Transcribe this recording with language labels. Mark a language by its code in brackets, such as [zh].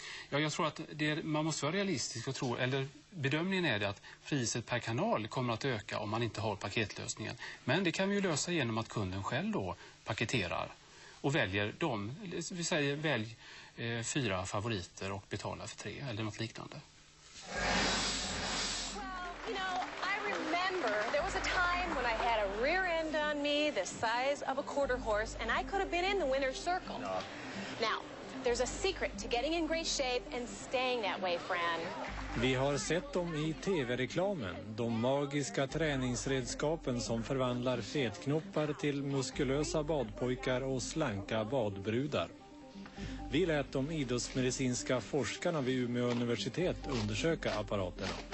[sv] Ja, jag tror att man måste vara realistisk och tro, eller bedömningen är det att priset per kanal kommer att öka om man inte har paketlösningen. Men det kan vi ju lösa genom att kunden själv då paketerar och väljer dem. Vi säger välj 4 favoriter och betala för 3 eller något liknande. [en] Well, you know, I remember there was a time when I had a rear end on me the size of a quarter horse and I could have been in the winner's circle. Now, there's a secret to getting in great shape and staying that way, Fran. [sv] Vi har sett dem i TV-reklamen, de magiska träningsredskapen som förvandlar fetknoppar till muskulösa badpojkar och slanka badbrudar. Vi lät de idrottsmedicinska forskarna vid Umeå universitet undersöka apparaterna.